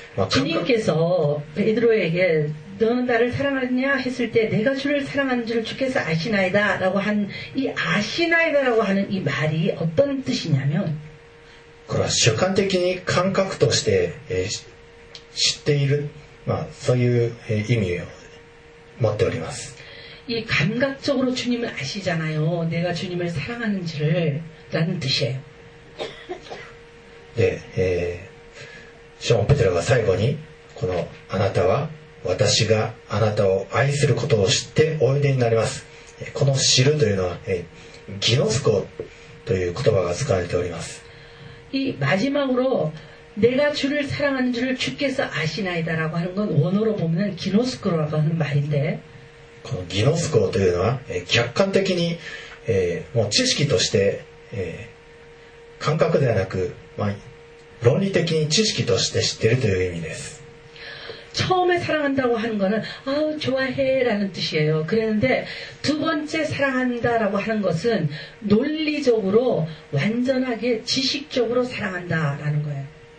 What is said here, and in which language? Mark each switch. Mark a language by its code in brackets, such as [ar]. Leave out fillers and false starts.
[ko] 주님께서베드로에게너는나를사랑하냐했을때내가주를사랑하는줄을주께서아시나이다라고한이아시나이다라고하는이말이어떤뜻이냐면 그건습관적인감각 [ja] としてえ知っているまあそういう意味を持っております。 [ko] 이감각적으로주님을아시잖아요내가주님을사랑하는줄을라는뜻이에요 [ja] 네シモン・ペテロが最後にこのあなたは私があなたを愛することを知っておいでになります。この知るというのはギノスコという言葉が使われております。 [ko] 이마지막으로내가주를사랑하는줄을주께서아시나이다라고하는건원어로보면기노스코라고하는말인데 [ja] このギノスコというのは客観的にもう知識として感覚ではなく、まあ論理的に知識として知っているという意味です。 [ko] 처음에사랑한다고하는거는아우좋아해라는뜻이에요그랬는데두번째사랑한다라고하는것은논리적으로완전하게지식적으로사랑한다라는거예요